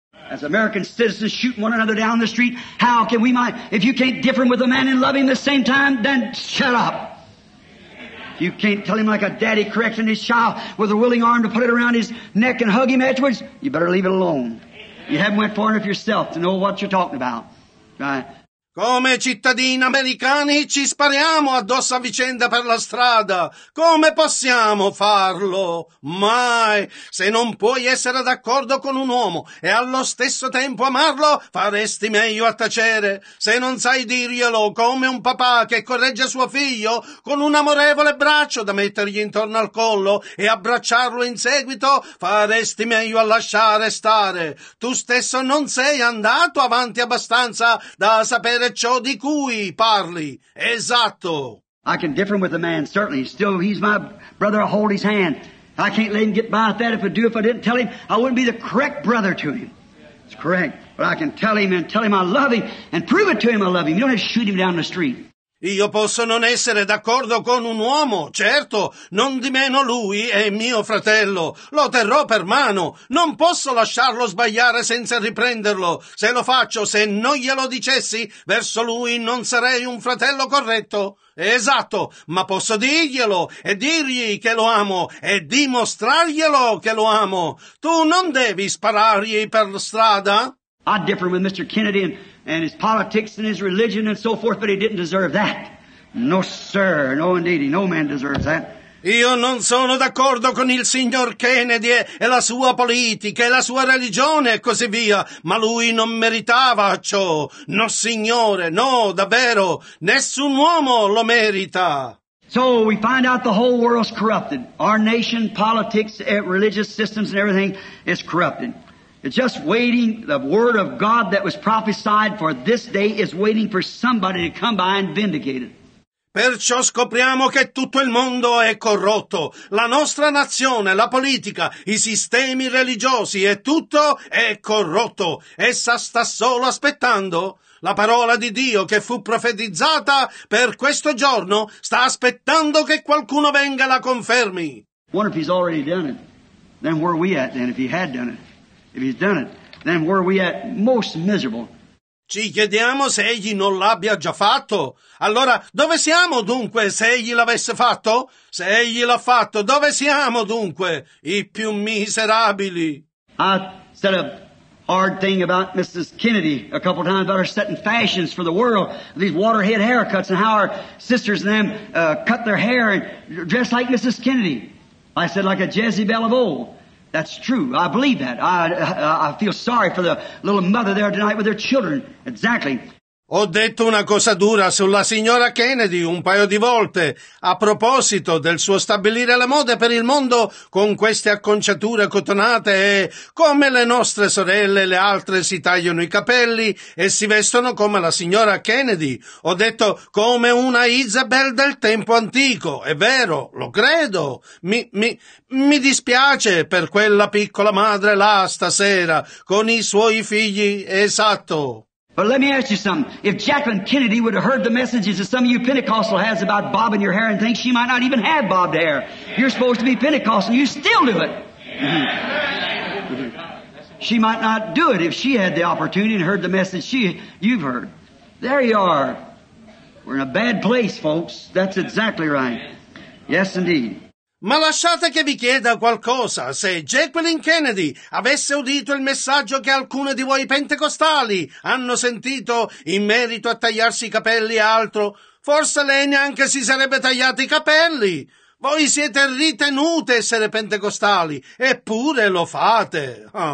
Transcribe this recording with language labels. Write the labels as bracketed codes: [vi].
[en] As American citizens shooting one another down the street, how can we mind? If you can't differ with a man and love him the same time, then shut up. If you can't tell him like a daddy correcting his child with a willing arm to put it around his neck and hug him afterwards, you better leave it alone. You haven't went far enough yourself to know what you're talking about. Right? [it] Come cittadini americani ci spariamo addosso a vicenda per la strada. Come possiamo farlo? Mai. Se non puoi essere d'accordo con un uomo e allo stesso tempo amarlo, faresti meglio a tacere. Se non sai dirglielo come un papà che corregge suo figlio con un amorevole braccio da mettergli intorno al collo e abbracciarlo in seguito, faresti meglio a lasciare stare. Tu stesso non sei andato avanti abbastanza da sapere ciò di cui parli. Esatto. [en] I can differ with a man, certainly. Still, he's my brother. I hold his hand. I can't let him get by with that. If I didn't tell him, I wouldn't be the correct brother to him. It's correct. But I can tell him I love him and prove it to him I love him. You don't have to shoot him down the street. [it] Io posso non essere d'accordo con un uomo, certo, non di meno lui è mio fratello. Lo terrò per mano. Non posso lasciarlo sbagliare senza riprenderlo. Se lo faccio, se non glielo dicessi, verso lui non sarei un fratello corretto. Esatto, ma posso dirglielo e dirgli che lo amo e dimostrarglielo che lo amo. Tu non devi sparargli per strada? [en] I differ with Mr. Kennedy and his politics and his religion and so forth, but he didn't deserve that. No, sir. No, indeed. No man deserves that. [it] Io non sono d'accordo con il signor Kennedy e la sua politica e la sua religione e così via, ma lui non meritava ciò. No, signore. No, davvero. Nessun uomo lo merita. [en] So we find out the whole world's corrupted. Our nation, politics, religious systems and everything is corrupted. It's just waiting, the word of God that was prophesied for this day is waiting for somebody to come by and vindicate it. [it] Perciò scopriamo che tutto il mondo è corrotto. La nostra nazione, la politica, i sistemi religiosi e tutto è corrotto. Essa sta solo aspettando. La parola di Dio che fu profetizzata per questo giorno sta aspettando che qualcuno venga la confermi. [en] What if he's already done it? Then where are we at then if he had done it? If he's done it, then where are we at? Most miserable. [it] Ci chiediamo se egli non l'abbia già fatto. Allora, dove siamo dunque se egli l'avesse fatto? Se egli l'ha fatto, dove siamo dunque i più miserabili? [en] I said a hard thing about Mrs. Kennedy a couple of times about her setting fashions for the world, these waterhead haircuts and how our sisters and them cut their hair and dress like Mrs. Kennedy. I said like a Jezebel of old. That's true. I believe that. I feel sorry for the little mother there tonight with her children. Exactly. [it] Ho detto una cosa dura sulla signora Kennedy un paio di volte a proposito del suo stabilire la moda per il mondo con queste acconciature cotonate e come le nostre sorelle e le altre si tagliano i capelli e si vestono come la signora Kennedy. Ho detto come una Isabel del tempo antico. È vero, lo credo. Mi dispiace per quella piccola madre là stasera con i suoi figli. Esatto. [en] But let me ask you something. If Jacqueline Kennedy would have heard the messages that some of you Pentecostal has about bobbing your hair and things, she might not even have bobbed hair. You're supposed to be Pentecostal. You still do it. She might not do it if she had the opportunity and heard the message you've heard. There you are. We're in a bad place, folks. That's exactly right. Yes, indeed. [it] Ma lasciate che vi chieda qualcosa. Se Jacqueline Kennedy avesse udito il messaggio che alcuni di voi pentecostali hanno sentito in merito a tagliarsi i capelli e altro, forse lei neanche si sarebbe tagliati i capelli. Voi siete ritenute essere pentecostali, eppure lo fate.